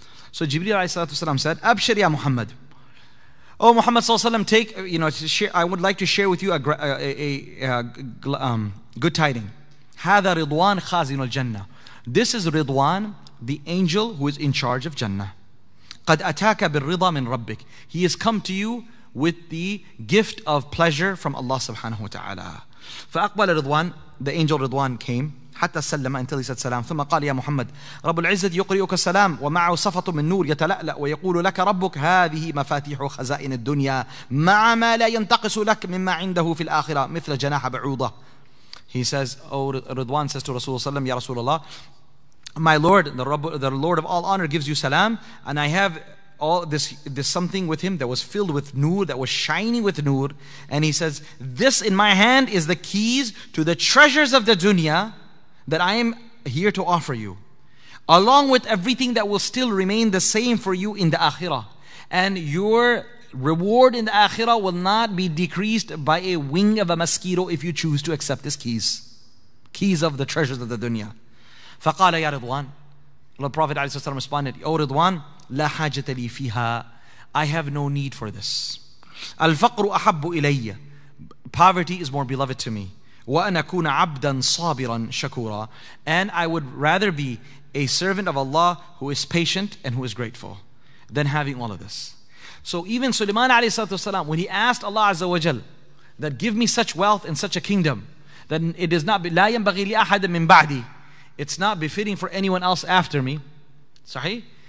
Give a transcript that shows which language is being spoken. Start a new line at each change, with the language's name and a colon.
English: So Jibreel alayhi salatu wasalam said,
Arabic: أَبْشَرْ يَا مُحَمَّد,
English: oh Muhammad sallallahu alaihi wasallam, I would like to share with you a good tiding.
Arabic: هذا رضوان خازن الجنة.
English: This is رضوان, the angel who is in charge of Jannah.
Arabic: قد أتاك بالرضا من ربك.
English: He has come to you with the gift of pleasure from Allah subhanahu wa ta'ala.
Arabic: فأقبل رضوان,
English: the angel رضوان came.
Arabic: حتى سلم,
English: until he said salam.
Arabic: ثم قال يا محمد رب العزة يقرئك السلام ومعه صفة من نور يتلألأ ويقول لك ربك هذه مفاتيح خزائن الدنيا مع ما لا ينتقص لك مما عنده في الآخرة مثل جناح بعوضة.
English: He says, Ridwan says to Rasulullah sallam, ya Rasulullah, my Lord, the Lord of all honor gives you salam, and I have all this something with him that was filled with nur, that was shining with nur, and he says, this in my hand is the keys to the treasures of the dunya that I am here to offer you, along with everything that will still remain the same for you in the akhirah. And your reward in the akhirah will not be decreased by a wing of a mosquito if you choose to accept these keys. Keys of the treasures of the dunya.
Arabic: فَقَالَ يَا رِضْوَانَ,
English: the Prophet ﷺ responded, O Ridwan,
Arabic: لَا حَاجَةَ لِي فِيهَا,
English: I have no need for this.
Arabic: الفقر أحب إلي.
English: Poverty is more beloved to me.
Arabic: وأنا أكون عبدا صابرا شكورا.
English: And I would rather be a servant of Allah who is patient and who is grateful than having all of this. So even Sulaiman عليه الصلاة والسلام, when he asked Allah عز وجل that give me such wealth and such a kingdom, that it is not
Arabic: لا ينبغي لأحد من بعدي,
English: it's not befitting for anyone else after me. Sahih?